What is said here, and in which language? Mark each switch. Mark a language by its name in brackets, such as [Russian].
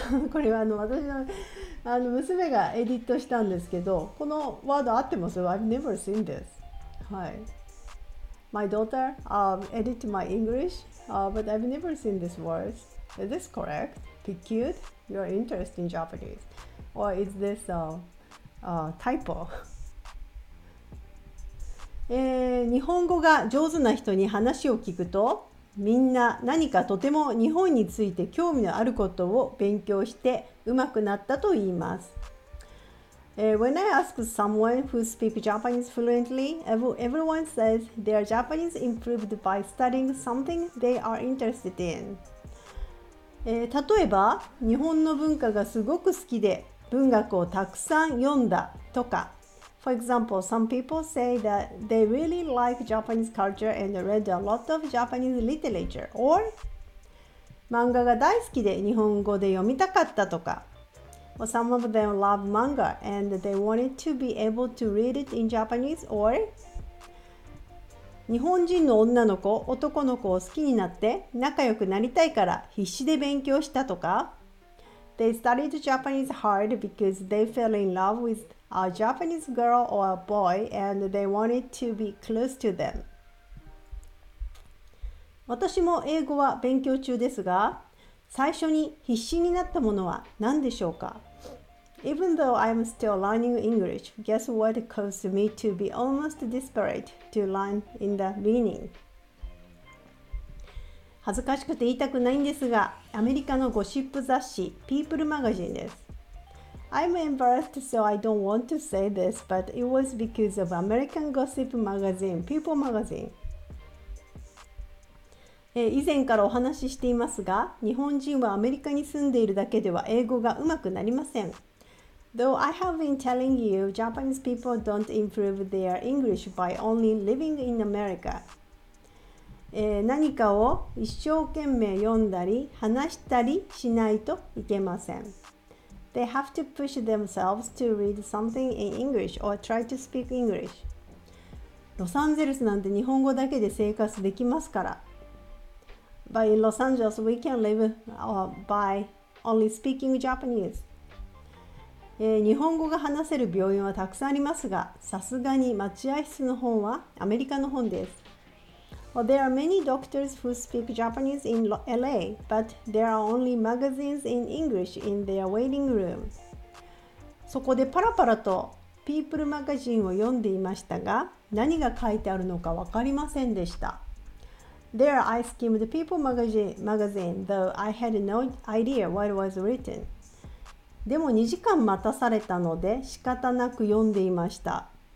[Japanese] これは私の、娘がエディットしたんですけど、このワード合ってます？ [English] I've never seen this。 はい。 My daughter edit my English, but I've never seen this word. Is this correct? Pique your interest in Japanese? Or is this a typo? [Japanese] 日本語が上手な人に話を聞くと、みんな何かとても日本について興味のあることを勉強して上手くなったと言います。 [English] When I ask someone who speaks Japanese fluently, everyone says their Japanese improved by studying something they are interested in. [Japanese] 例えば、日本の文化がすごく好きで文学をたくさん読んだとか。 [English] For example, some people say that they really like Japanese culture and read a lot of Japanese literature. Or, [Japanese] 漫画が大好きで日本語で読みたかったとか。 [English] Well, some of them love manga and they wanted to be able to read it in Japanese. Or, [Japanese] 日本人の女の子、男の子を好きになって仲良くなりたいから必死で勉強したとか。 [English] They studied Japanese hard because they fell in love with a Japanese girl or a boy, and they wanted to be close to them. [Japanese] 私も英語は勉強中ですが、最初に必死になったものは何でしょうか？ [English] Even though I'm still learning English, guess what caused me to be almost desperate to learn in the beginning? [Japanese] 恥ずかしくて言いたくないんですが、アメリカのゴシップ雑誌、ピープルマガジンです。 [English] I'm embarrassed, so I don't want to say this, but it was because of American Gossip Magazine, People Magazine. [Japanese] 以前からお話ししていますが、日本人はアメリカに住んでいるだけでは英語がうまくなりません。 [English] Though I have been telling you, Japanese people don't improve their English by only living in America. [Japanese] 何かを一生懸命読んだり話したりしないといけません。 [English] They have to push themselves to read something in English or try to speak English. [Japanese] ロサンゼルスなんて日本語だけで生活できますから。 [English] But in Los Angeles, we can live by only speaking Japanese. [Japanese] 日本語が話せる病院はたくさんありますが、さすがに待合室の本はアメリカの本です。 [English] Well, there are many doctors who speak Japanese in LA, but there are only magazines in English in their waiting room. [Japanese] そこでパラパラと People マガジンを読んでいましたが、何が書いてあるのか分かりませんでした。 [English] There I skimmed the People magazine, though I had no idea what was written. [Japanese] でも2時間待たされたので仕方なく読んでいました。